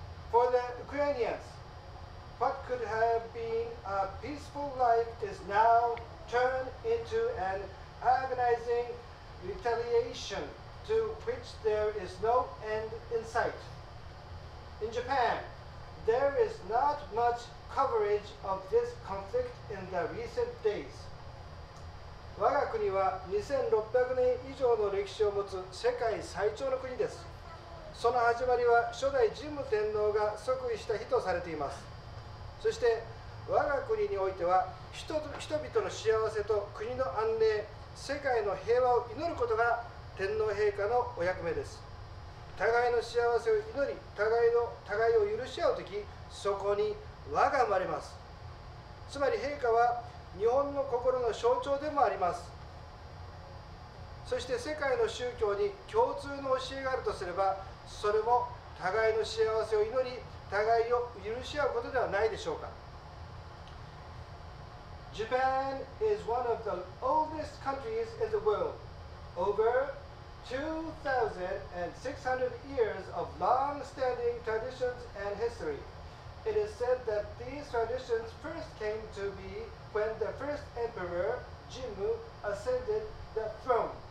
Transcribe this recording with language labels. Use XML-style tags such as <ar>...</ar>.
<en>For the Ukrainians, what could have been a peaceful life is now turned into an agonizing retaliation to which there is no end in sight. In Japan, there is not much coverage of this conflict in the recent days.</en> <ja>我が国は2600年以上の歴史を持つ世界最長の国です。その始まりは初代神武天皇が即位した日とされています。そして我が国においては 人々の幸せと国の安寧、世界の平和を祈ることが天皇陛下のお役目です。互いの幸せを祈り、互いを許し合うとき、そこに和が生まれます。つまり陛下は日本の心の象徴でもあります。そして世界の宗教に共通の教えがあるとすれば、それも互いの幸せを祈り、互いを許し合うことではないでしょうか。</ja> <en>Japan is one of the oldest countries in the world. Over 2,600 years of long-standing traditions and history. It is said that these traditions first came to be when the first emperor, Jimmu, ascended the throne.</en>